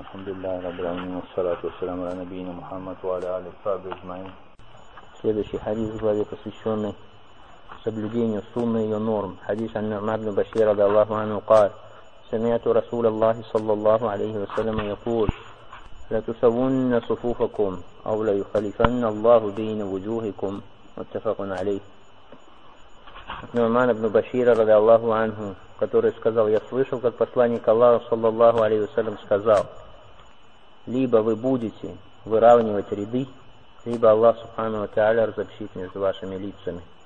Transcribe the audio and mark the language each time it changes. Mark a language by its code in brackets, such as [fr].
[ar] الحمد لله رب العالمين، والصلاة والسلام على نبينا محمد وعلى آله الطاهر أجمعين. [ru] Следующий хадис в главе, посвященный соблюдению сунны и ее норм. Хадис [ar] عن نعمان بن بشير رضي الله عنه قال: سمعت رسول الله صلى الله عليه وسلم يقول: لتصون صفوفكم أو ليخلفن الله بين وجوهكم. متفق عليه. نعمان بن بشير رضي الله عنه, [ru] который сказал: я слышал, как посланник Аллаха, саллаллаху алейхи вассалям, сказал: либо вы будете выравнивать ряды, либо Аллах, субхану ва тааля, разобщит между вашими лицами.